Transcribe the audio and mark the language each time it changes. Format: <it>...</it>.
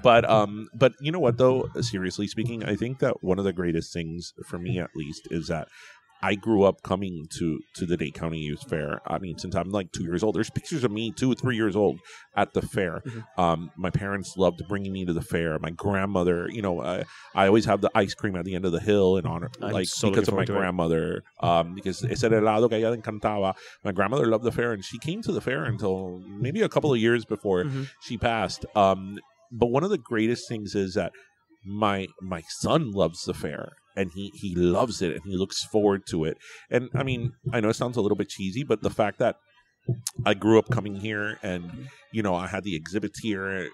<en>but you know what though? Seriously speaking, I think that one of the greatest things for me, at least, is that I grew up coming to the Dade County Youth Fair. I mean, since I'm like 2 years old, there's pictures of me 2 or 3 years old at the fair. Mm-hmm. My parents loved bringing me to the fair. My grandmother, you know, I always have the ice cream at the end of the hill in honor, because of my grandmother.</en> <es>Because ese helado que ella encantaba.</es> <en>My grandmother loved the fair, and she came to the fair until maybe a couple of years before she passed. But one of the greatest things is that my son loves the fair. And he loves it, and he looks forward to it. And, I mean, I know it sounds a little bit cheesy, but the fact that I grew up coming here and, you know, I had the exhibits here.</en>